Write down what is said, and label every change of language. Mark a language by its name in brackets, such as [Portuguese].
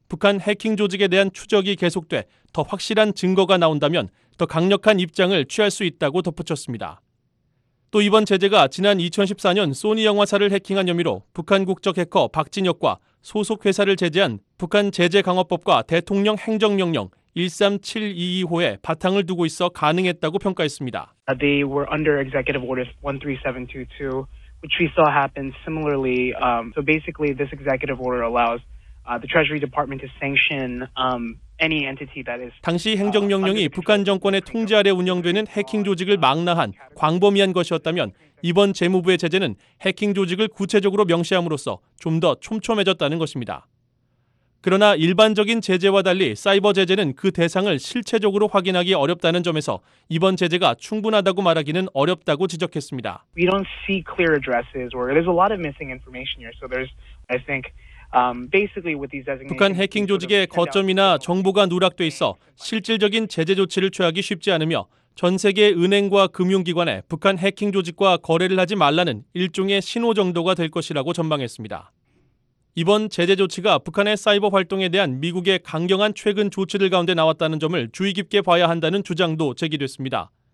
[Korean] 북한 해킹 조직에 대한 추적이 계속돼 더 확실한 증거가 나온다면 더 강력한 입장을 취할 수 있다고 덧붙였습니다. 또 이번 제재가 지난 2014년 소니 영화사를 해킹한 혐의로 북한 국적 해커 박진혁과 소속 회사를 제재한 북한 제재 강화법과 대통령 행정명령 13722호에 바탕을 두고 있어 가능했다고 평가했습니다. [English] They were under executive order 13722, which we saw happen similarly. So basically, this executive order allows the Treasury Department to sanction any entity that is. [Korean] 당시 행정명령이 북한 정권의 통제 아래 운영되는 해킹 조직을 망라한 광범위한 것이었다면 이번 재무부의 제재는 해킹 조직을 구체적으로 명시함으로써 좀 더 촘촘해졌다는 것입니다. 그러나 일반적인 제재와 달리 사이버 제재는 그 대상을 실체적으로 확인하기 어렵다는 점에서 이번 제재가 충분하다고 말하기는 어렵다고 지적했습니다. [English] We don't see clear addresses or there's a lot of missing information here. So there's, I think, basically with these designations. [Korean] 북한 해킹 조직의 거점이나 정보가 누락돼 있어 실질적인 제재 조치를 취하기 쉽지 않으며 전 세계 은행과 금융기관에 북한 해킹 조직과 거래를 하지 말라는 일종의 신호 정도가 될 것이라고 전망했습니다. 이번 제재 조치가 북한의 사이버 활동에 대한 미국의 강경한 최근 조치들 가운데 나왔다는 점을 주의 깊게 봐야 한다는 주장도 제기됐습니다.